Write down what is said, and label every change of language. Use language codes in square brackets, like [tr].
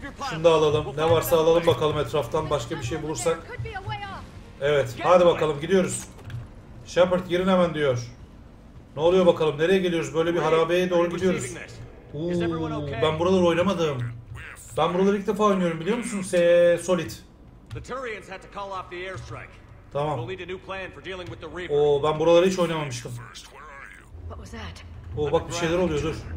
[tr] Şunu da alalım, ne varsa alalım bakalım etraftan, başka bir şey bulursak. Evet, hadi bakalım gidiyoruz. Shepard girin hemen diyor. Ne oluyor bakalım, nereye geliyoruz? Böyle bir harabeye doğru gidiyoruz. Uuu, ben buraları oynamadım. Ben buraları ilk defa oynuyorum biliyor musun? [en] Solid. The Turians had to call off the airstrike. [tr] Tamam. [en] We'll need a new plan for dealing with the Reaper. [tr] Oo, ben buraları hiç oynamamışım. [en] What was that? [tr] Oo, bak bir şeyler oluyor, dur.